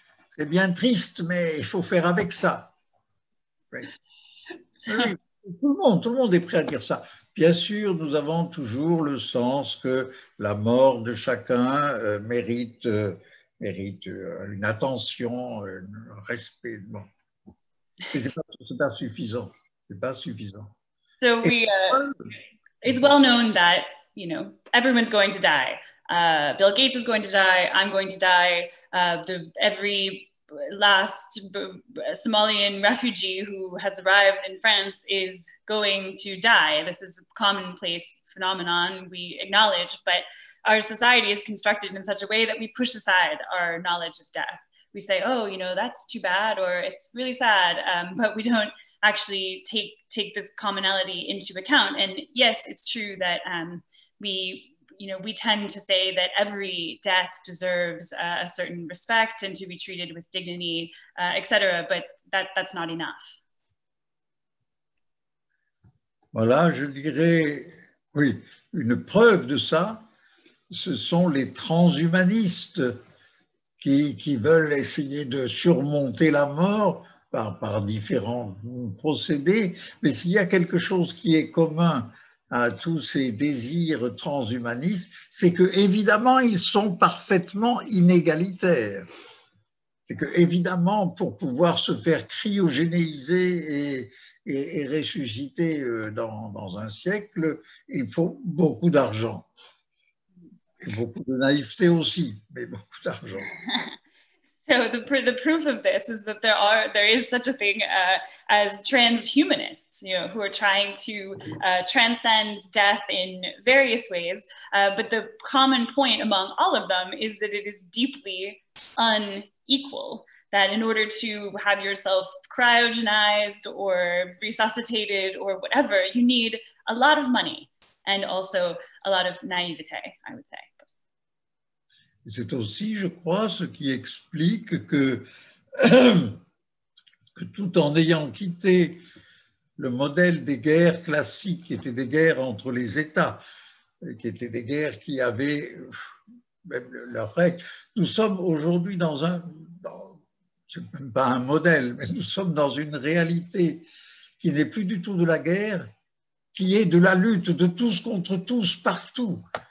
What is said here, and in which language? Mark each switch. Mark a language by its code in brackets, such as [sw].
[fr] C'est bien triste, mais il faut faire avec ça. Oui. Oui, tout le monde est prêt à dire ça. Bien sûr, nous avons toujours le sens que la mort de chacun mérite une attention, un respect. Bon. Mais c'est pas suffisant. C'est pas suffisant. [en] So it's well known that, you know, everyone's going to die. Bill Gates is going to die. I'm going to die. Every last Somalian refugee who has arrived in France is going to die. This is a commonplace phenomenon we acknowledge, but our society is constructed in such a way that we push aside our knowledge of death. we say, oh, you know, that's too bad or it's really sad, but we don't actually take this commonality into account. And yes, it's true that we tend to say that every death deserves a certain respect and to be treated with dignity, etc. But that's not enough. [fr] Voilà, je dirais, oui, une preuve de ça, ce sont les transhumanistes qui veulent essayer de surmonter la mort par différents procédés. Mais s'il y a quelque chose qui est commun à tous ces désirs transhumanistes, c'est que évidemment ils sont parfaitement inégalitaires. C'est que évidemment, pour pouvoir se faire cryogénéiser et ressusciter dans un siècle, il faut beaucoup d'argent. Et beaucoup de naïveté aussi, mais beaucoup d'argent. [en] So the proof of this is that there is such a thing as transhumanists, you know, who are trying to transcend death in various ways. But the common point among all of them is that it is deeply unequal. That in order to have yourself cryogenized or resuscitated or whatever, you need a lot of money and also a lot of naivete, I would say. [fr] C'est aussi, je crois, ce qui explique que tout en ayant quitté le modèle des guerres classiques, qui étaient des guerres entre les États, qui étaient des guerres qui avaient même leurs règles, nous sommes aujourd'hui dans un, c'est même pas un modèle, mais nous sommes dans une réalité qui n'est plus du tout de la guerre, qui est de la lutte de tous contre tous, partout.